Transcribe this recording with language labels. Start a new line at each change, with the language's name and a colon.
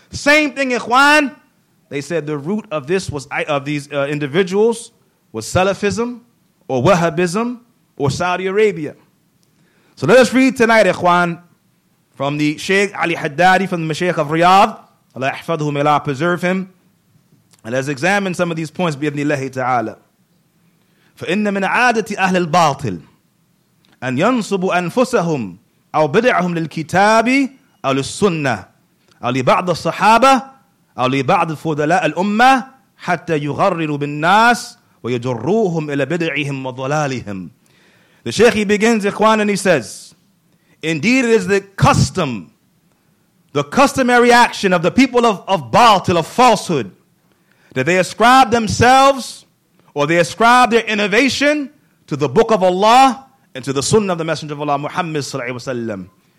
English: Same thing, Ikhwan. They said the root of this was of these individuals was Salafism or Wahhabism or Saudi Arabia. So let us read tonight, Ikhwan, from the Sheikh Ali Haddadi, from the Mashaykh of Riyadh. Allah ahfadhu, may Allah preserve him. And let's examine some of these points
Arabic: بإذن الله تعالى. فإن من عادة أهل الباطل أن ينصبوا أنفسهم أو بدعهم للكتاب أو للسنة أو لبعض الصحابة أو لبعض فضلاء الأمة حتى يغرروا بالناس ويجروهم إلى بدعهم وضلالهم.
English: The Sheikh, he begins, Ikhwan, and he says, indeed it is the custom, the customary action of the people of Baatil, of falsehood, that they ascribe themselves or they ascribe their innovation to the book of Allah and to the sunnah of the Messenger of Allah, Muhammad sallallahu alayhi wa sallam.